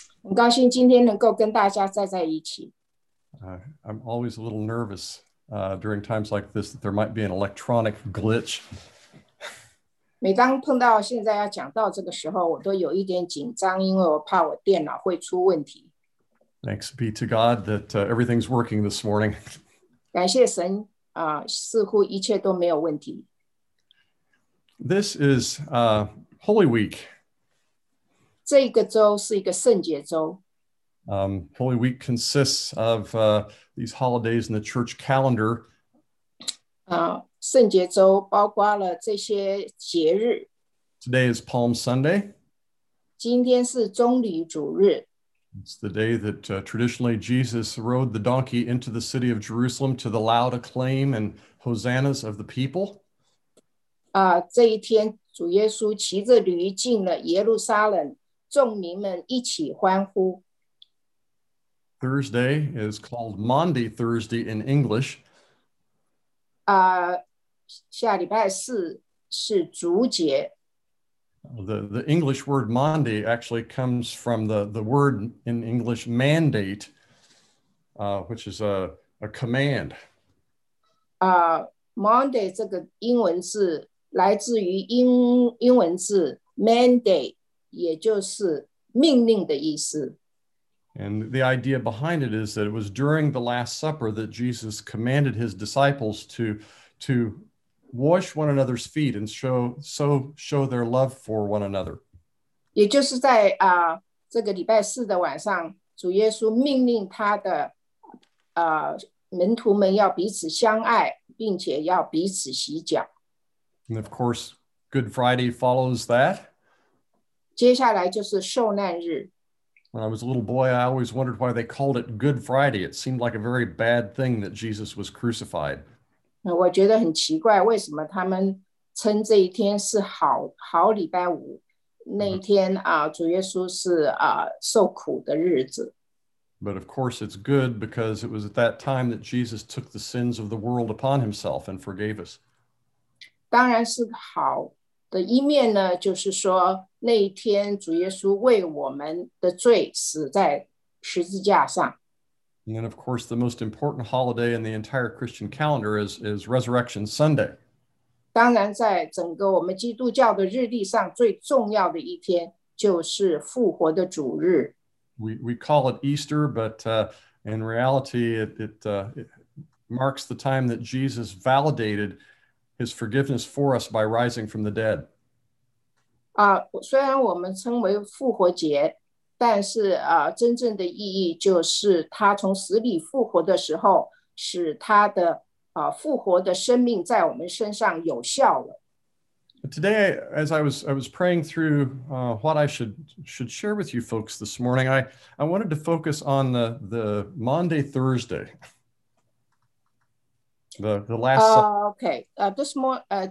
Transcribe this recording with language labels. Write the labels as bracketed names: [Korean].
[Chinese] 很高兴今天能够跟大家站在一起。 [English] I'm always a little nervous during times like this that there might be an electronic glitch. [Chinese] 每当碰到现在要讲到这个时候，我都有一点紧张，因为我怕我电脑会出问题。 [English] Thanks be to God that everything's working this morning. [Chinese] 感谢神啊，似乎一切都没有问题。 [English] This is Holy Week. [Chinese] 这个周是一个圣洁周。 [English] Holy Week consists of these holidays in the church calendar. [Chinese] 圣洁周包括了这些节日。 [English] Today is Palm Sunday. [Chinese] 今天是棕榈主日。 [English] It's the day that traditionally Jesus rode the donkey into the city of Jerusalem to the loud acclaim and hosannas of the people. [Chinese] 这一天主耶稣骑着驴进了耶路撒冷，众民们一起欢呼。 [English] Thursday is called Maundy Thursday in English. [Chinese] 下礼拜四是主节。 [English] The English word Maundy actually comes from the word in English mandate, which is a command. [Chinese] Maundy 这个英文字来自于英文字 mandate， 也就是命令的意思。 [English] And the idea behind it is that it was during the Last Supper that Jesus commanded his disciples to wash one another's feet and show their love for one another. [Chinese] 也就是在这个礼拜四的晚上，主耶稣命令他的门徒们要彼此相爱，并且要彼此洗脚。 [English] And of course, Good Friday follows that. [Chinese] 接下来就是受难日。 [English] When I was a little boy, I always wondered why they called it Good Friday. It seemed like a very bad thing that Jesus was crucified. [Chinese] 我觉得很奇怪，为什么他们称这一天是好礼拜五？那一天啊，主耶稣是啊受苦的日子。 [English] But of course, it's good because it was at that time that Jesus took the sins of the world upon himself and forgave us. [Chinese] 当然是好的一面呢，就是说那一天主耶稣为我们的罪死在十字架上。 [English] And then, of course, the most important holiday in the entire Christian calendar is Resurrection Sunday. [Chinese] 当然在整个我们基督教的日历上最重要的一天就是复活的主日。 [English] We call it Easter, but in reality, it marks the time that Jesus validated his forgiveness for us by rising from the dead. [Chinese] 虽然我们称为复活节，但是真正的意义就是他从死里复活的时候，使他的复活的生命在我们身上有效了。 [English] Today, as I was praying through what I should share with you folks this morning, I wanted to focus on the Maundy Thursday, the last.